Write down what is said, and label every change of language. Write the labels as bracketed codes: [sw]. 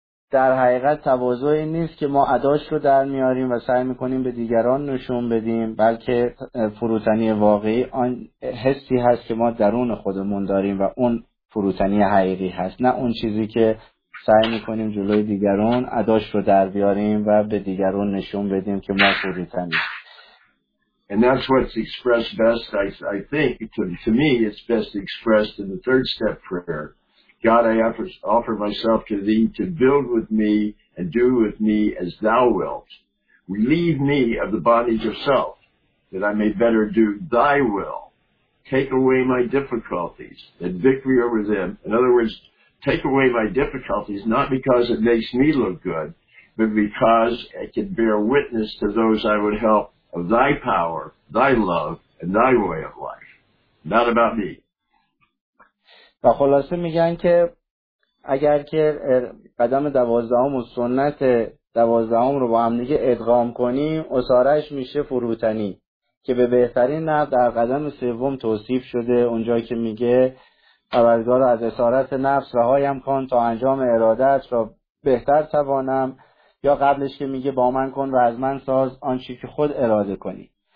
[fa] در حقیقت تواضعی نیست که ما اداش رو در میاریم و سعی میکنیم به دیگران نشون بدیم، بلکه فروتنی واقعی آن حسی هست که ما درون خودمون داریم و اون فروتنی حقیقی هست، نه اون چیزی که سعی میکنیم جلوی دیگران اداش رو در بیاریم و به دیگران نشون بدیم که ما فروتنیم. [en] And that's what's expressed best, I think, to me, it's best expressed in the third step prayer. God, I offer myself to thee to build with me and do with me as thou wilt. Relieve me of the bondage of self, that I may better do thy will. Take away my difficulties and victory over them. In other words, take away my difficulties, not because it makes me look good, but because I can bear witness to those I would help of thy power, thy love, and thy way of life. Not about me. [fa] و خلاصه میگن که اگر که قدم دوازدهم و سنت دوازدهم رو با هم دیگه ادغام کنیم، اسارش میشه فروتنی که به بهترین نحو در قدم سوم توصیف شده، اونجایی که میگه پروردگارا از اسارت نفس رهایم کن تا انجام ارادت را بهتر توانم، یا قبلش که میگه با من کن و از من ساز آنچه که خود اراده کنی.